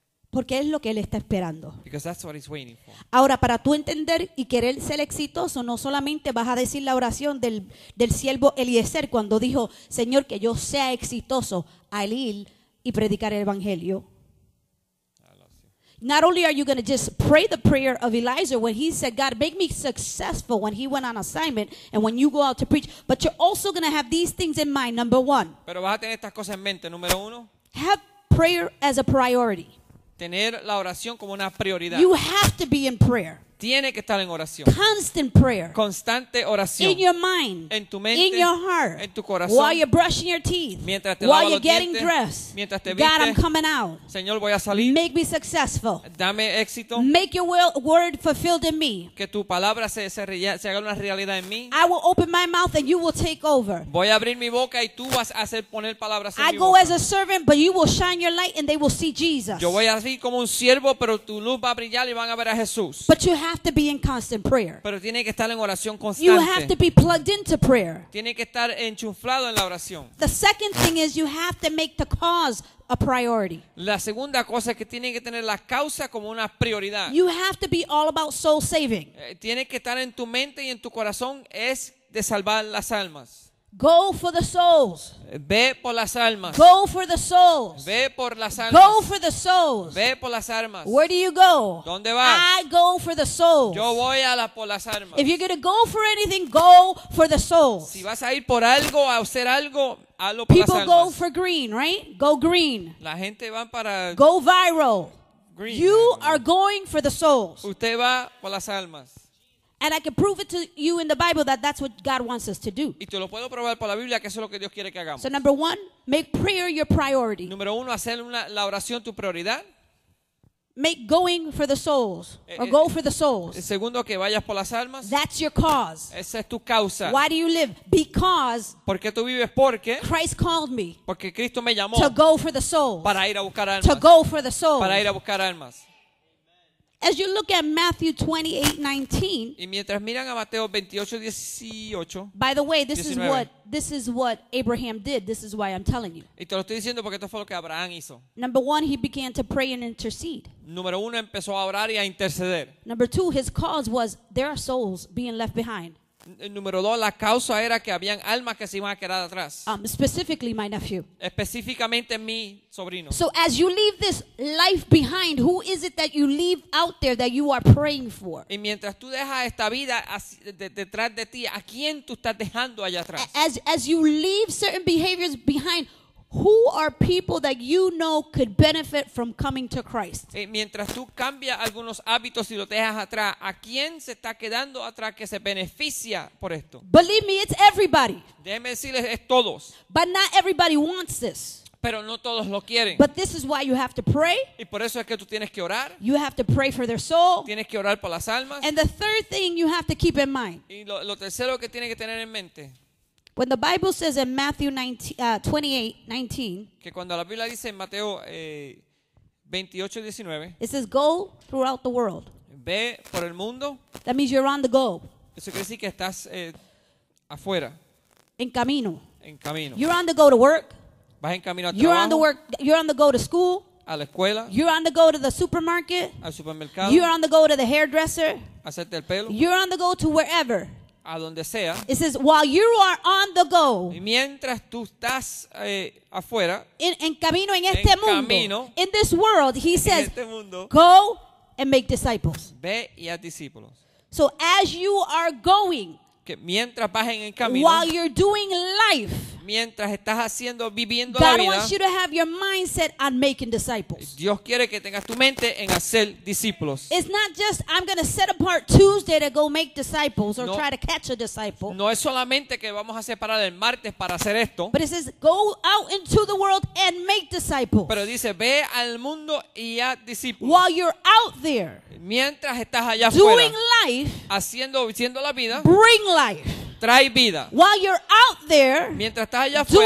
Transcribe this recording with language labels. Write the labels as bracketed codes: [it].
[es] Porque es lo que él está esperando. [en] Because that's what he's waiting for. [es] Ahora, para tú entender y querer ser exitoso, no solamente vas a decir la oración del siervo Eliezer cuando dijo, Señor, que yo sea exitoso al ir y predicar el evangelio. [en] Not only are you going to just pray the prayer of Elijah when he said, God, make me successful when he went on assignment and when you go out to preach, but you're also going to have these things in mind, number one. [es] Pero vas a tener estas cosas en mente, número uno. [en] Have prayer as a priority. [es] Tener la oración como una prioridad. [en] You have to be in prayer. [es] Tiene que estar en oración. [en] Constant prayer. [es] Constante oración. [en] In your mind. [es] En tu mente. [en] In your heart. [es] En tu corazón. [en] While you're brushing your teeth. [es] Mientras te lavas los dientes. [en] Getting dressed. [es] Mientras te vistes. [en] God, I'm coming out. [es] Señor, voy a salir. [en] Make me successful. [es] Dame éxito. [en] Make your will, word fulfilled in me. [es] Que tu palabra se haga una realidad en mí. [en] I will open my mouth and you will take over. [es] Voy a abrir mi boca y tú vas a hacer poner palabras en mi boca. [en] I go as a servant, but you will shine your light and they will see Jesus. [es] Yo voy a ir como un siervo, pero tu luz va a brillar y van a ver a Jesús. [en] But you have to be in constant prayer. [es] Pero tiene que estar en oración constante. [en] You have to be plugged into prayer. [es] Tiene que estar enchuflado en la oración. [en] The second thing is you have to make the cause a priority. [es] La segunda cosa es que tiene que tener la causa como una prioridad. [en] You have to be all about soul saving. [es] Tiene que estar en tu mente y en tu corazón es de salvar las almas. [en] Go for the souls. [es] Ve por las almas. [en] Go for the souls. [es] Ve por las almas. [en] Go for the souls. [es] Ve por las almas. [en] Where do you go? [es] ¿Dónde vas? [en] I go for the souls. [es] Yo voy a la por las almas. [en] If you're going to go for anything, go for the souls. [es] Si vas a ir por algo, a hacer algo, hazlo por [en] People [es] las almas. [en] Go for green, right? Go green. [es] La gente va para [en] Go viral. Green. You are going for the souls. [es] Usted va por las almas. [en] And I can prove it to you in the Bible that that's what God wants us to do. [es] Y te lo puedo probar por la Biblia que eso es lo que Dios quiere que hagamos. [en] So number one, make prayer your priority. [es] Número uno, hacer la oración tu prioridad. [en] Make going for the souls or go for the souls. [es] El segundo, que vayas por las almas. [en] That's your cause. [es] Esa es tu causa. [en] Why do you live? Because. [es] ¿Por qué tú vives? Porque. [en] Christ called me. [es] Porque Cristo me llamó. [en] To go for the souls. [es] Para ir a buscar almas. [en] To go for the souls. [es] Para ir a buscar almas. [en] As you look at Matthew 28:19, [es] y mientras miran a Mateo 28:18, [en] by the way, this is what Abraham did. This is why I'm telling you. [es] Y te lo estoy diciendo porque esto fue lo que Abraham hizo. [en] Number one, he began to pray and intercede. [es] Número uno, empezó a orar y a interceder. [en] Number two, his cause was there are souls being left behind. [es] Número dos, la causa era que habían almas que se iban a quedar atrás. [en] Specifically, my nephew. [es] Específicamente, mi sobrino. [en] So as you leave this life behind, who is it that you leave out there that you are praying for? [es] Y mientras tú dejas esta vida detrás de ti, ¿a quién tú estás dejando allá atrás? [en] As you leave certain behaviors behind, who are people that you know could benefit from coming to Christ? [es] Mientras tú cambias algunos hábitos y lo dejas atrás, ¿a quién se está quedando atrás que se beneficia por esto? [en] Believe me, it's everybody. [es] Déjeme decirles, es todos. [en] But not everybody wants this. [es] Pero no todos lo quieren. [en] But this is why you have to pray. [es] Y por eso es que tú tienes que orar. [en] You have to pray for their soul. [es] Tienes que orar por las almas. [en] And the third thing you have to keep in mind. [es] Y lo tercero que tienes que tener en mente. [en] When the Bible says in Matthew 28:19, [es] que cuando la Biblia dice en Mateo 28:19, [en] it says go throughout the world. [es] Ve por el mundo. [en] That means you're on the go. [es] Eso quiere decir que estás afuera. En camino. En camino. [en] You're on the go to work. [es] Vas en camino a [en] you're [es] trabajo. [en] On the work, you're on the go to school. [es] A la escuela. [en] You're on the go to the supermarket. [es] Al supermercado. [en] You're on the go to the hairdresser. [es] Hacerte el pelo. [en] You're on the go to wherever. [es] A donde sea. [en] It says, while you are on the go, [es] y mientras tú estás afuera, en camino en este en mundo, camino, [en] in this world, he says, [es] este mundo, [en] go and make disciples. [es] Ve y haz discípulos. [en] So as you are going, [es] que mientras vas en el camino, [en] while you're doing life, [es] mientras estás haciendo, viviendo [en] God [es] la vida, [en] God wants you to have your mindset on making disciples. [es] Dios quiere que tengas tu mente en hacer discípulos. [en] It's not just I'm going to set apart Tuesday to go make disciples or [es] no, [en] try to catch a disciple. [es] No es solamente que vamos a separar el martes para hacer esto. [en] But it says go out into the world and make disciples. [es] Pero dice ve al mundo y haz discípulos. [en] While you're out there, [es] mientras estás allá afuera, [en] doing life, [es] haciendo la vida, [en] bring life. [es] Trae vida. [en] While you're out there, [es] mientras estás allá [en] doing